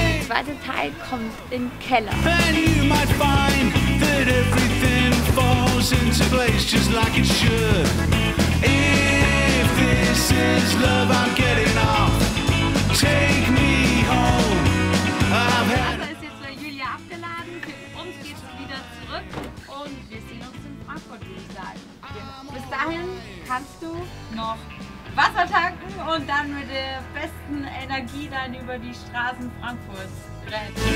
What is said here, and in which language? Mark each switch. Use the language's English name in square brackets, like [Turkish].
[German] Der zweite Teil kommt in den Keller. [English] And you might find that everything falls into place just like it should. If this is love, I'm getting off. Take me home. [German] Also ist jetzt Julia abgeladen. Für uns geht's wieder zurück. Und wir sehen uns in Frankfurt, würde ich sagen. Bis dahin kannst du noch Wasser tanken und dann mit der besten Energie dann über die Straßen Frankfurts rennen.